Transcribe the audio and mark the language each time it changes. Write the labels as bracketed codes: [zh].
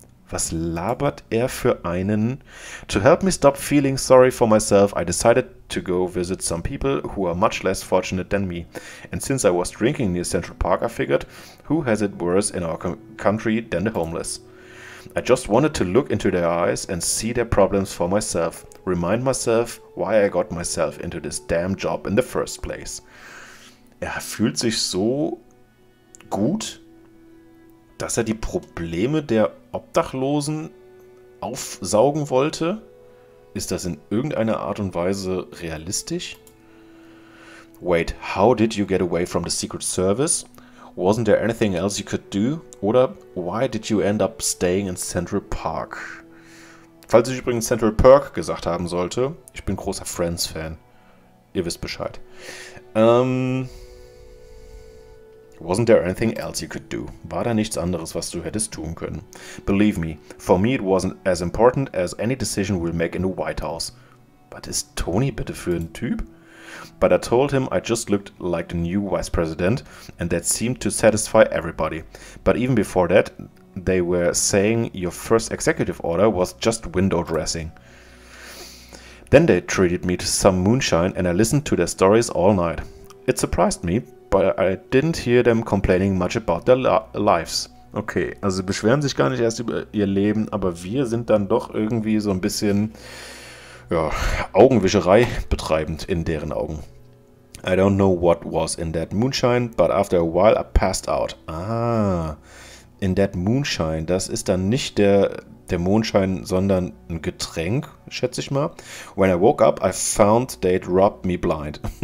[de] Was labert er für einen? [en] To help me stop feeling sorry for myself, I decided to go visit some people who are much less fortunate than me. And since I was drinking near Central Park, I figured, who has it worse in our country than the homeless? I just wanted to look into their eyes and see their problems for myself. Remind myself, why I got myself into this damn job in the first place. [de] Er fühlt sich so gut, dass er die Probleme der Obdachlosen aufsaugen wollte? Ist das in irgendeiner Art und Weise realistisch? [en] Wait, how did you get away from the Secret Service? Wasn't there anything else you could do? [de] Oder [en] why did you end up staying in Central Park? [de] Falls ich übrigens Central Park gesagt haben sollte, ich bin großer Friends-Fan. Ihr wisst Bescheid. [en] Wasn't there anything else you could do? [de] War da nichts anderes, was du hättest tun können? [en] Believe me, for me it wasn't as important as any decision we'll make in the White House. [de] Was ist Tony bitte für ein Typ? [en] But I told him I just looked like the new vice president and that seemed to satisfy everybody. But even before that, they were saying your first executive order was just window dressing. Then they treated me to some moonshine and I listened to their stories all night. It surprised me, but I didn't hear them complaining much about their lives. [de] Okay, also sie beschweren sich gar nicht erst über ihr Leben, aber wir sind dann doch irgendwie so ein bisschen, ja, Augenwischerei betreibend in deren Augen. [en] I don't know what was in that moonshine, but after a while I passed out. Ah, in that moonshine, [de] das ist dann nicht der Mondschein, sondern ein Getränk, schätze ich mal. [en] When I woke up, I found they'd robbed me blind.